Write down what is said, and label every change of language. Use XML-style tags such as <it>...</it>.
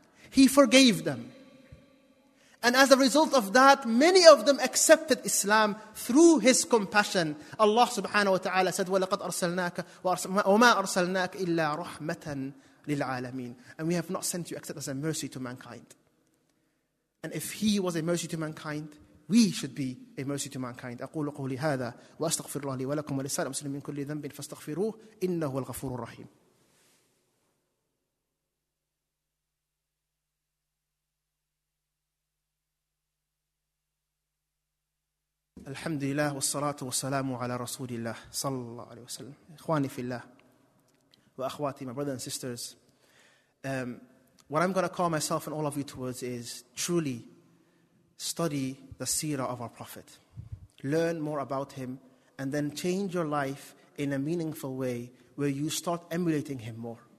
<en>He forgave them. And as a result of that, many of them accepted Islam through his compassion. Allah subhanahu wa ta'ala said,</en> <ar>وَلَقَدْ أَرْسَلْنَاكَ وَمَا أَرْسَلْنَاكَ إِلَّا رَحْمَةً لِلْعَالَمِينَ.</ar> <en>And we have not sent you except as a mercy to mankind. And if he was a mercy to mankind, we should be a mercy to mankind.</en> <ar>أقول قولي هذا وأستغفر الله لي ولكم ولسائر المسلمين من كل ذنب فاستغفروه إنه الغفور الرحيم. الحمد لله والصلاة والسلام على رسول الله صلى الله عليه وسلم. إخواني في الله وأخواتي,</ar> <en>my brothers and sisters, what I'm going to call myself and all of you towards is truly study the seerah of our Prophet. Learn more about him and then change your life in a meaningful way where you start emulating him more.</en>